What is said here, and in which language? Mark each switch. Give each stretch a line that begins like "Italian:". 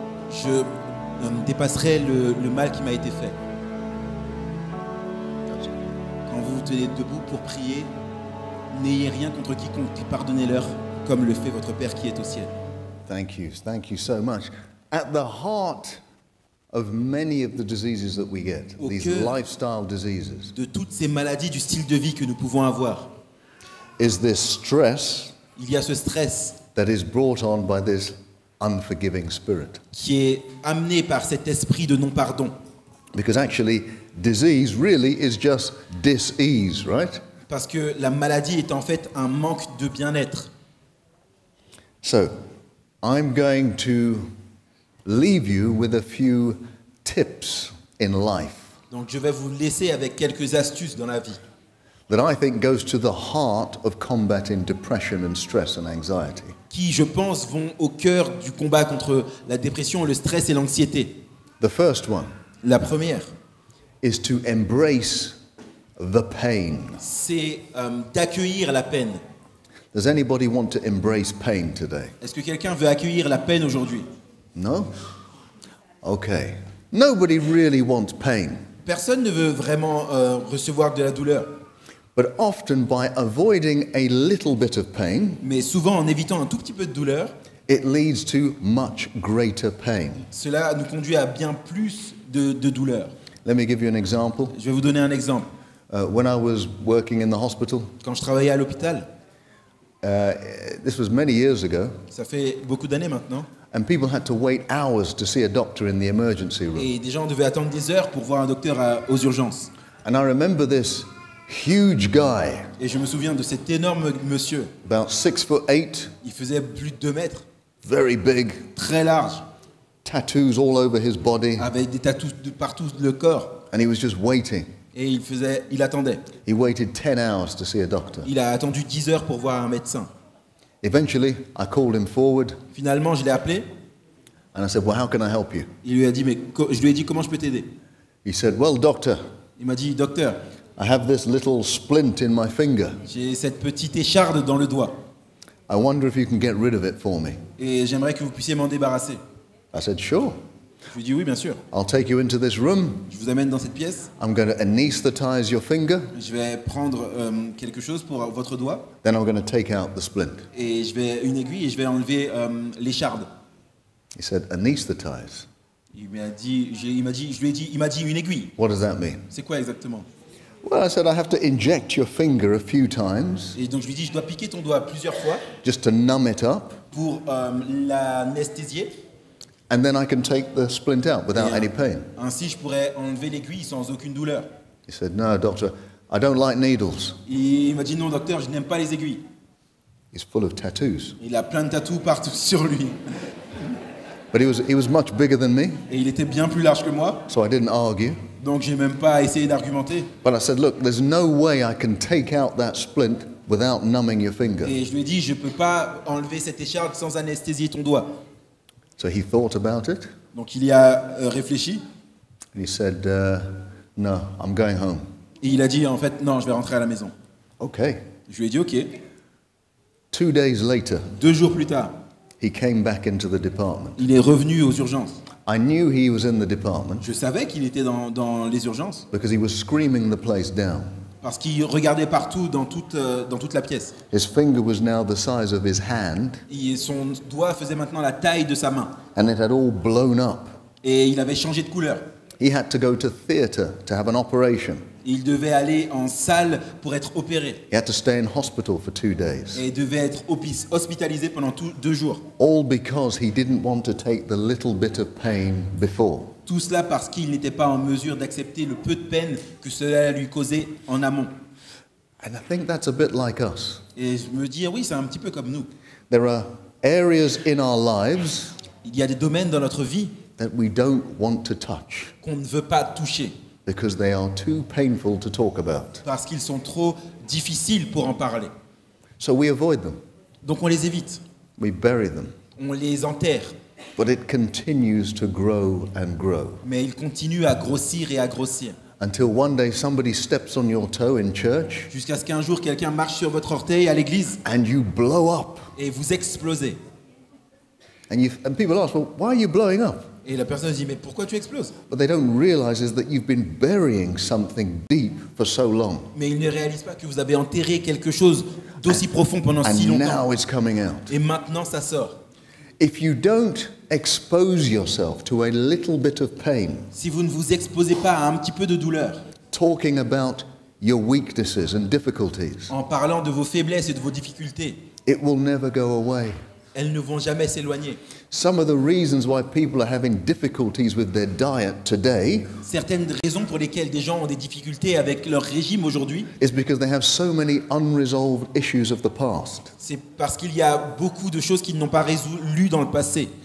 French: Je dépasserai le mal qui m'a été fait. Quand vous vous tenez debout pour prier, n'ayez rien contre quiconque et pardonnez-leur comme le fait votre Père qui est au ciel.
English: Thank you so much. At the heart of many of the diseases that we get, these lifestyle diseases,
French: de toutes ces maladies du style de vie que nous pouvons avoir,
English: is this stress,
French: il y a ce stress
English: that is brought on by this unforgiving spirit,
French: qui est amené par cet esprit de non-pardon.
English: Because actually, disease really is just dis-ease, right?
French: Parce que la maladie est en fait un manque de bien-être.
English: So, I'm going to leave you with a few tips in life.
French: Donc je vais vous laisser avec quelques astuces dans la vie.
English: That I think goes to the heart of combating depression and stress and anxiety.
French: Qui, je pense, vont au cœur du combat contre la dépression, le stress et l'anxiété.
English: The first one.
French: La première.
English: Is to embrace the pain.
French: C'est d'accueillir la peine.
English: Does anybody want to embrace pain today?
French: Est-ce que quelqu'un veut accueillir la peine aujourd'hui?
English: No. Okay. Nobody really wants pain.
French: Personne ne veut vraiment recevoir de la douleur.
English: But often by avoiding a little bit of pain,
French: mais souvent en évitant un tout petit peu de douleur,
English: it leads to much greater pain.
French: Cela nous conduit à bien plus de douleur.
English: Let me give you an example.
French: Je vais vous donner un exemple.
English: When I was working in the hospital,
French: quand je travaillais à l'hôpital,
English: this was many years ago.
French: Ça fait beaucoup d'années maintenant.
English: And people had to wait hours to see a doctor in the emergency room.
French: Et des gens devaient attendre des heures pour voir un docteur aux urgences.
English: And I remember this huge guy.
French: Et je me souviens de cet énorme monsieur.
English: About 6'8".
French: Il faisait plus de 2 mètres.
English: Very big.
French: Très large.
English: Tattoos all over his body.
French: Avec des tattoos partout le corps.
English: And he was just waiting.
French: Et il attendait.
English: He waited 10 hours to see a doctor.
French: Il a attendu 10 heures pour voir un médecin.
English: Eventually, I called him forward.
French: Finalement, je l'ai appelé.
English: And I said, "Well, how can I help you?"
French: Il lui a dit, je lui ai dit, comment je peux t'aider?
English: He said, "Well, doctor."
French: Il m'a dit, docteur.
English: I have this little splint in my finger.
French: J'ai cette petite écharde dans le doigt.
English: I wonder if you can get rid of it for me.
French: Et j'aimerais que vous puissiez m'en débarrasser.
English: I said, "Sure."
French: Je lui dis oui, bien sûr.
English: I'll take you into this room.
French: Je vous amène dans cette pièce.
English: I'm going to anesthetize your finger.
French: Je vais prendre quelque chose pour votre doigt.
English: Then I'm going to take out the splint.
French: Et je vais une aiguille et je vais enlever l'écharde.
English: He said anesthetize.
French: Il m'a dit une aiguille.
English: What does that mean?
French: C'est quoi exactement?
English: Well, I said I have to inject your finger a few times.
French: Et donc je lui dis je dois piquer ton doigt plusieurs fois.
English: Just to numb it up.
French: Pour l'anesthésier.
English: And then I can take the splint out without any pain.
French: Ainsi, je pourrais enlever l'aiguille sans aucune douleur.
English: He said, "No, doctor, I don't like needles."
French: Il m'a dit, non, docteur, je n'aime pas les aiguilles.
English: He's full of tattoos.
French: Il a plein de tattoos partout sur lui.
English: But he was much bigger than me.
French: Et il était bien plus large que moi.
English: So I didn't argue.
French: Donc, j'ai même pas essayé d'argumenter.
English: But I said, "Look, there's no way I can take out that splint without numbing your finger."
French: Et je lui ai dit, je peux pas enlever cette écharpe sans anesthésier ton doigt.
English: So he thought about it.
French: Donc il y a réfléchi.
English: And he said, "No, I'm going home."
French: Et il a dit en fait, non, je vais rentrer à la maison.
English: Okay.
French: Je lui ai dit, ok.
English: 2 days later.
French: 2 jours plus tard.
English: He came back into the department.
French: Il est revenu aux urgences.
English: I knew he was in the department.
French: Je savais qu'il était dans les urgences.
English: Because he was screaming the place down.
French: Parce qu'il regardait partout dans toute la pièce.
English: His finger was now the size of his hand.
French: Et son doigt faisait maintenant la taille de sa main.
English: And it had all blown up.
French: Et il avait changé de couleur.
English: He had to go to theater to have an operation.
French: Il devait aller en salle pour être opéré.
English: He had to stay in hospital for 2 days.
French: Et devait être hospitalisé pendant 2 jours.
English: All because he didn't want to take the little bit of pain before.
French: Tout cela parce qu'il n'était pas en mesure d'accepter le peu de peine que cela lui causait en amont.
English: And I think that's a bit like us.
French: Et je me dis, oui, c'est un petit peu comme nous.
English: There are areas in our lives.
French: Il y a des domaines dans notre vie
English: that we don't want to touch.
French: Qu'on ne veut pas toucher.
English: Because they are too painful to talk about.
French: Parce qu'ils sont trop difficiles pour en parler.
English: So we avoid them.
French: Donc on les évite.
English: We bury them.
French: On les enterre.
English: But it continues to grow and grow.
French: Mais il continue à grossir et à grossir.
English: Until one day somebody steps on your toe in church.
French: Jusqu'à ce qu'un jour quelqu'un marche sur votre orteil à l'église.
English: And you blow up.
French: Et vous explosez.
English: And people ask, "Well, why are you blowing up?"
French: Et la personne se dit, mais pourquoi tu exploses?
English: But they don't realize that you've been burying something deep for so long.
French: Mais ils ne réalisent pas que vous avez enterré quelque chose d'aussi profond pendant si longtemps.
English: And now it's coming out.
French: Et maintenant ça sort.
English: If you don't expose yourself to a little bit of pain,
French: si vous ne vous exposez pas à un petit peu de douleur,
English: talking about your weaknesses and difficulties,
French: en parlant de vos faiblesses et de vos difficultés,
English: it will never go away.
French: Elles ne vont jamais s'éloigner.
English: Some of the reasons why people are having difficulties with their diet today,
French: certaines raisons pour lesquelles des gens ont des difficultés avec leur régime aujourd'hui,
English: is because they have so many unresolved issues of the past.
French: C'est parce qu'il y a beaucoup de choses qu'ils n'ont pas résolues dans le passé.